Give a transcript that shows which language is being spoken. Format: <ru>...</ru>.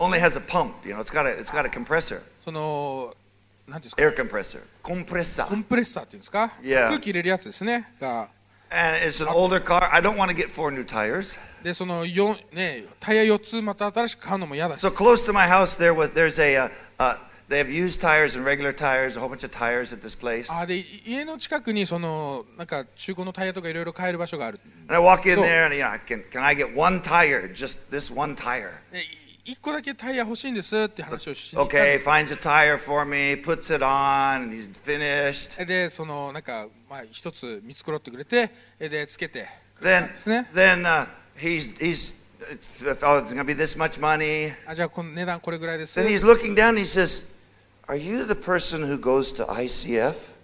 <en>Only has a pump, you know, it's got a compressor.</en> <ja>その、なんですか?</ja> <en>Air compressor. Compressor.</en> <ja>コンプレッサーっていうんですか?</ja> <en>Yeah.</en> <ja>空気入れるやつですね。が、</ja> <en>And it's an older car. I don't want to get 4 new tires.</en> <ja>で、その4、ね、タイヤ4つまた新しく買うのも嫌だし。</ja> <en>So close to my house there's a, they have used tires and regular tires, a whole bunch of tires at this place.</en> <ja>あ、で、家の近くにそのなんか中古のタイヤとかいろいろ買える場所がある。</ja> <en>And I walk in there and you know, can I get one tire, just this one tire?</en> <ja>一個だけタイヤ欲しいんですって話をしに行ったんです。</ja> <en>Okay, finds a tire for me, puts it on, and he's finished.</en> <ja>で、そのなんかまあ一つ見繕ってくれて、でつけて、</ja> <en>Then he's It's going to be this much money. And he's looking down and he says, Are you the person who goes to ICF?</en>